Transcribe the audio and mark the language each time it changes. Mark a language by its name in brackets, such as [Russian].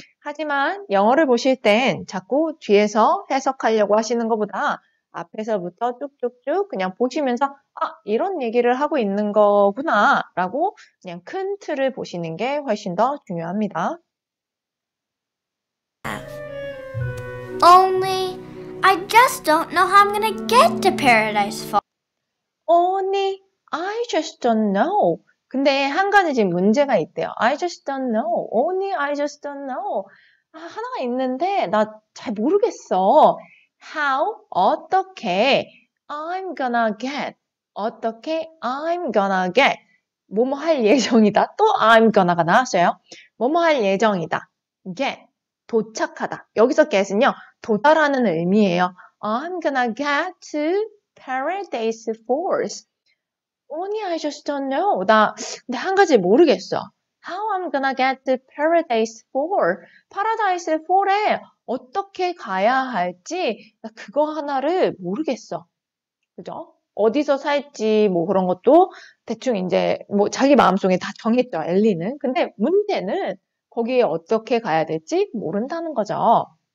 [Korean] 하지만 영어를 보실 땐 자꾸 뒤에서 해석하려고 하시는 것보다 앞에서부터 쭉쭉쭉 그냥 보시면서 아, 이런 얘기를 하고 있는 거구나 라고 그냥 큰 틀을 보시는 게 훨씬 더 중요합니다. [English] Only, I just don't know how I'm gonna get to paradise for. Only, I just don't know. [Korean] 근데 한 가지 지금 문제가 있대요. [English] I just don't know. Only, I just don't know. [Korean] 아, 하나가 있는데 나 잘 모르겠어. [English] How? [Korean] 어떻게? [English] I'm gonna get. 어떻게? I'm gonna get. [Korean] 뭐뭐 할 예정이다. 또 I'm gonna가 나왔어요. 뭐뭐 할 예정이다. Get. 도착하다. 여기서 get은요. 도달하는 의미예요. [English] I'm gonna get to Paradise Falls. Only I just don't know. [Korean] 나 근데 한 가지 모르겠어. [English] How I'm gonna get to Paradise Falls. [Korean] Paradise Falls에 어떻게 가야 할지 나 그거 하나를 모르겠어. 그죠? 어디서 살지 뭐 그런 것도 대충 이제 뭐 자기 마음속에 다 정했죠, 엘리는. 근데 문제는 거기에 어떻게 가야 될지 모른다는 거죠.